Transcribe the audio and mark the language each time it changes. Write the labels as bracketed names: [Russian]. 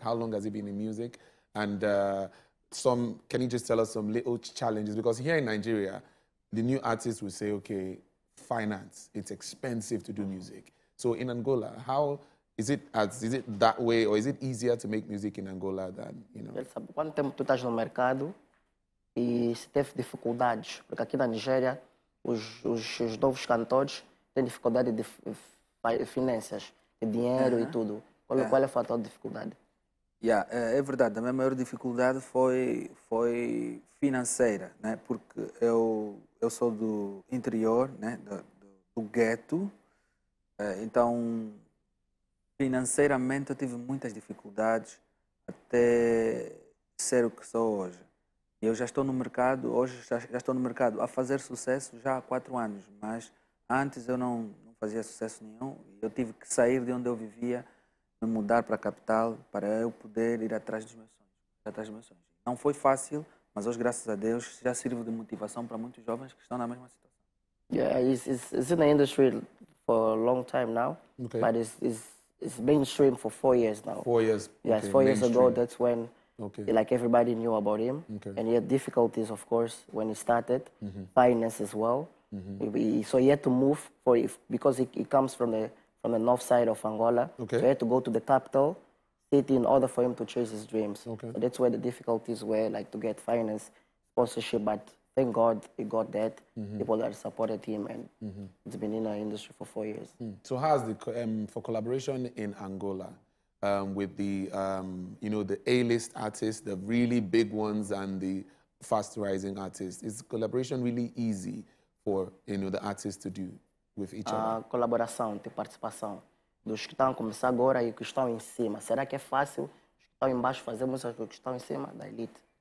[English] How long has he been in music? And can you just tell us some little challenges? Because here in Nigeria, the new artists will say, okay, finance, it's expensive to do music. So in Angola, how is it that way, or is it easier to make music in Angola than, you know? [Portuguese] Quanto tempo tu estás no mercado e se teve dificuldades? Porque aqui na Nigéria, os novos cantores têm dificuldade de finanças, de dinheiro e tudo. Qual é o fator de dificuldade? Yeah, é verdade. A minha maior dificuldade foi financeira, né? Porque eu sou do interior, né? Do gueto. Então, financeiramente, eu tive muitas dificuldades até ser o que sou hoje. E eu já estou no mercado, a fazer sucesso já há 4 anos. Mas antes eu não fazia sucesso nenhum. Eu tive que sair de onde eu vivia, me mudar para a capital, para eu poder ir atrás dos meus sonhos. Não foi fácil, mas hoje, graças a Deus, já sirvo de motivação para muitos jovens que estão na mesma situação. [English] Yeah, it's in the industry for a long time now, but it's mainstream for 4 years now. 4 years. Yes, okay, 4 years ago, that's when like everybody knew about him. Okay. And he had difficulties, of course, when he started, finance as well. So he had to move because he comes from the north side of Angola. Okay. So he had to go to the capital city in order for him to chase his dreams. Okay. So that's where the difficulties were, like to get finance, sponsorship, but thank God he got that. People that supported him, and it's been in our industry for 4 years. So how's the for collaboration in Angola with the you know, the A-list artists, the really big ones, and the fast rising artists? Is collaboration really easy for, you know, the artists to do with each other? [Portuguese] Colaboração, ter participação dos que estão a começar agora e que estão em cima. Será que é fácil os que estão embaixo fazer música com os que estão em cima da elite?